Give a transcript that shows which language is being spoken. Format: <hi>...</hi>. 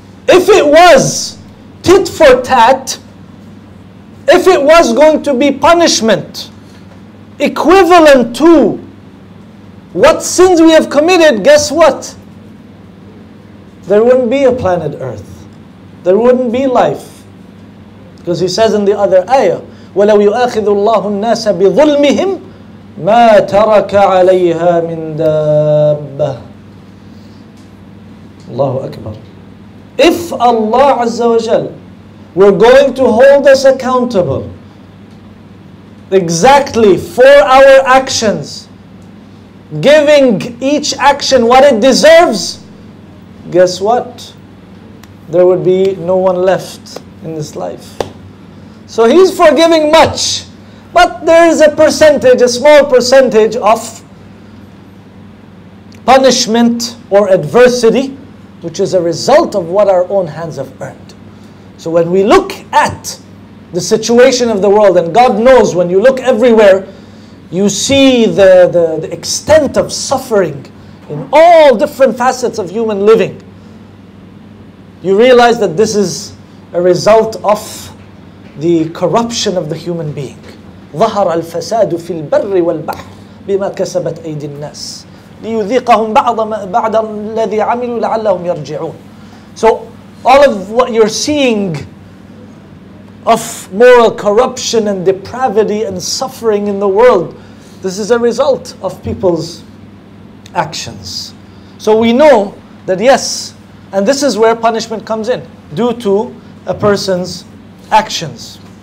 <en>If it was tit for tat, if it was going to be punishment equivalent to what sins we have committed, guess what? There wouldn't be a planet Earth. There wouldn't be life. Because He says in the other ayah,</en> <ar>وَلَوْ يُؤَخِذُ اللَّهُ النَّاسَ بِظُلْمِهِمْ مَا تَرَكَ عَلَيْهَا مِن دَابَّةِ. Allahu Akbar.</ar> <en>If Allah Azza wa Jal were going to hold us accountable exactly for our actions, giving each action what it deserves, guess what? There would be no one left in this life. So he's forgiving much, but there is a percentage, a small percentage of punishment or adversity, which is a result of what our own hands have earned. So when we look at the situation of the world, and God knows, when you look everywhere, you see the extent of suffering in all different facets of human living. You realize that this is a result of the corruption of the human being.</en> <ar>ظهر الفساد في البر والبحر بما كسبت أيدي الناس ليذيقهم بعض بعض الذي عملوا لعلهم يرجعون.</ar> <en>So all of what you're seeing of moral corruption and depravity and suffering in the world, this is a result of people's actions. So we know that yes, and this is where punishment comes in, due to a person's actions.</en>